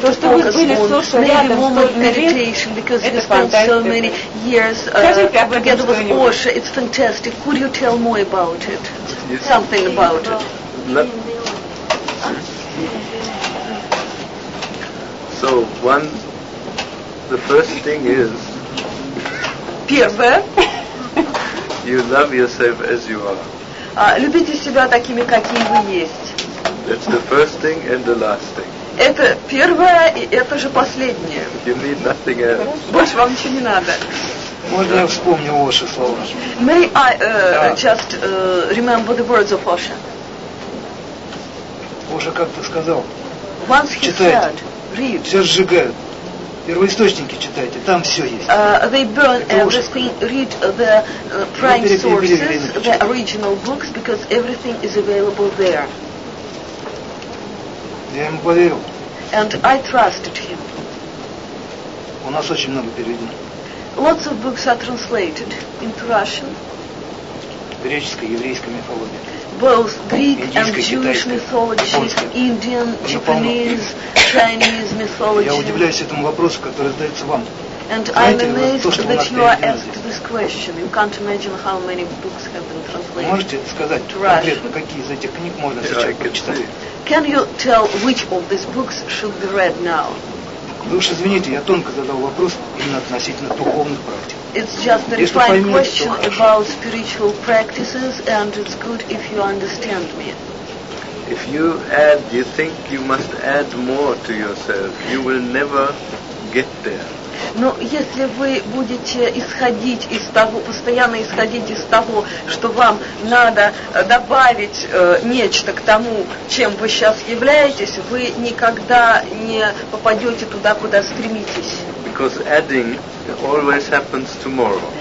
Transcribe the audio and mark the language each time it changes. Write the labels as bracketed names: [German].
[Russian] То, что вы были с Ошо рядом столько лет, [English] because you spent so many years together with Osha. It's fantastic. Could you tell more about it? Yes. Something about it. So one, the first thing is you love yourself as you are. [Russian] Любите себя такими, какие вы есть. [English] That's the first thing and the last thing. [Russian] Это первое, и это же последнее. [English] You need nothing else. [Russian] Больше вам ничего не надо. Можно я вспомню ваши слова? [English] May I just remember the words of Osha? [Russian] Osha как-то сказал. [English] Once he said, read. [Russian] Все сжигают. Первоисточники читайте, там все есть. [English] They burn everything. Read the prime sources, the original books, because everything is available there. [Russian] Я ему поверил. [English] And I trusted him. [Russian] У нас очень много переведено. [English] Lots of books are translated into Russian. [Russian] Греческая, еврейская мифология. [English] both Greek and Jewish mythology, Indian, Japanese, Chinese mythology. [Russian] Я удивляюсь этому вопросу, который задается вам. [English] And I'm amazed that you are asked this question. You can't imagine how many books have been translated. [Russian] Можете сказать конкретно, какие из этих книг можно сейчас прочитать? [English] Can you tell which of these books should be read now? [Russian] Вы уж извините, я тонко задал вопрос именно относительно духовных практик. [English] It's just a refined question about spiritual practices, and it's good if you understand me. If you add, you think you must add more to yourself, you will never get there. [Russian] Но если вы будете исходить из того, постоянно исходить из того, что вам надо добавить нечто к тому, чем вы сейчас являетесь, вы никогда не попадете туда, куда стремитесь. [English] Because adding always happens tomorrow.